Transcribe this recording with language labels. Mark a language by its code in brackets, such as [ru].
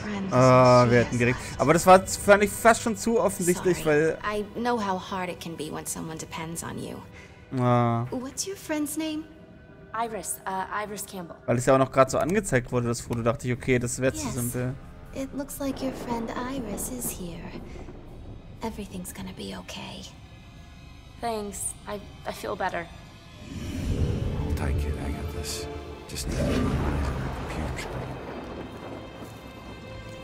[de] Ah, wir hätten direkt. Aber das war, fand ich, fast schon zu offensichtlich, weil. [en] I know how hard it can be when someone depends on you. What's your friend's name? Iris. Iris Campbell. [de] Weil es ja auch noch gerade so angezeigt wurde, das Foto, dachte ich, okay, das wäre zu simpel. [en] It looks like your friend Iris is here. Everything's gonna be okay. Thanks. I feel better. Hold tight, kid. I got this. Just need to remind you of the computer.